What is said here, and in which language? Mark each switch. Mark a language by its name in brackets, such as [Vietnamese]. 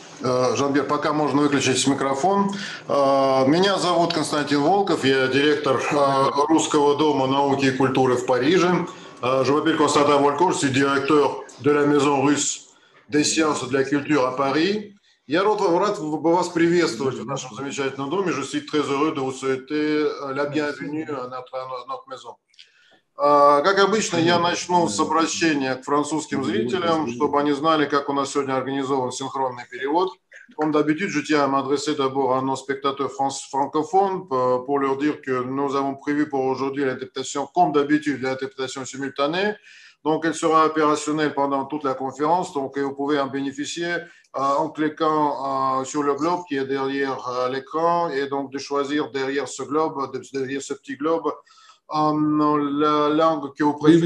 [Russian] Жан-Пьер, пока можно выключить микрофон. Меня зовут Константин Волков, я директор Русского дома науки и культуры в Париже. [French] Je m'appelle Constantin Volkov, je suis directeur de la Maison russe des sciences de la culture à Paris. [Russian] Я рад вас приветствовать в нашем замечательном доме. [French] Je suis très heureux de vous souhaiter la bienvenue à notre maison. [Russian] Как обычно, я начну с обращения к французским зрителям, чтобы они знали, как у нас сегодня организован синхронный перевод. [French] Comme d'habitude, je tiens à m'adresser d'abord à nos spectateurs francophones pour leur dire que nous avons prévu pour aujourd'hui l'interprétation, comme d'habitude, l'interprétation simultanée. Donc, elle sera opérationnelle pendant toute la conférence. Donc, vous pouvez en bénéficier en cliquant sur le globe qui est derrière l'écran et donc de choisir derrière ce globe, derrière ce petit globe, la langue que vous préférez.